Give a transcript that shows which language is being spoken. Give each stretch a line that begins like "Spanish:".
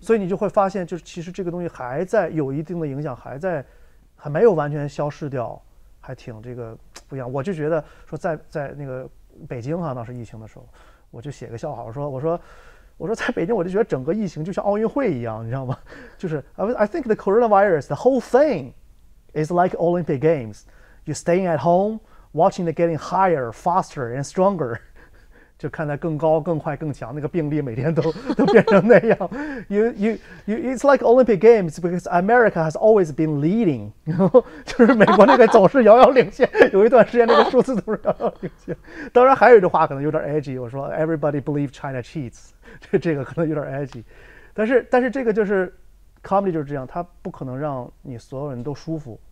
Chinese: 所以你就会发现，就是其实这个东西还在有一定的影响，还在还没有完全消失掉，还挺这个不一样。我就觉得说在那个北京哈，当时疫情的时候，我就写个笑话，我说在北京，我就觉得整个疫情就像奥运会一样，你知道吗？
English: 就是 I think the coronavirus, the whole thing is like Olympic Games. You staying at home, watching the getting higher, faster and stronger.
Chinese: 就看它更高、更快、更强，那个病例每天都变成那样。
English: You it's like Olympic Games because America has always been leading.
Chinese: 就是美国那个总是遥遥领先，有一段时间那个数字都是遥遥领先。当然，还有一句话可能有点 edgy， 我说
English: Everybody believe China cheats，
Chinese: 这个可能有点 edgy。但是这个就是 comedy 就是这样，它不可能让你所有人都舒服。